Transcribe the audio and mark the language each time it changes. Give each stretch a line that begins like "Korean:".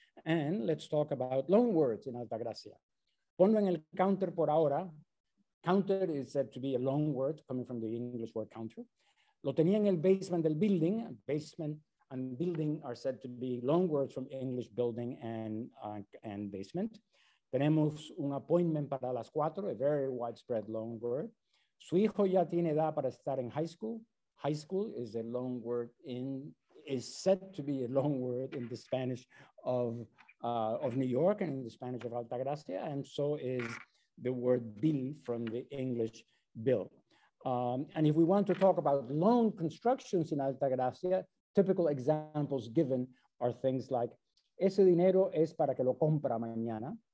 English: And let's talk about loan words in Altagracia.
Spanish: Ponlo en el counter por ahora.
English: Counter is said to be a loan word coming from the English word counter.
Spanish: Lo tenía en el basement del building.
English: Basement and building are said to be loan words from English building and basement.
Spanish: Tenemos un appointment para las cuatro,
English: a very widespread loan word.
Spanish: Su hijo ya tiene edad para estar en high school.
English: High school is a loan word is said to be a loan word in the Spanish of New York and in the Spanish of Altagracia, and so is the word bill from the English bill. And if we want to talk about loan constructions in Altagracia, typical examples given are things like,
Spanish: ese dinero es para que lo compra mañana.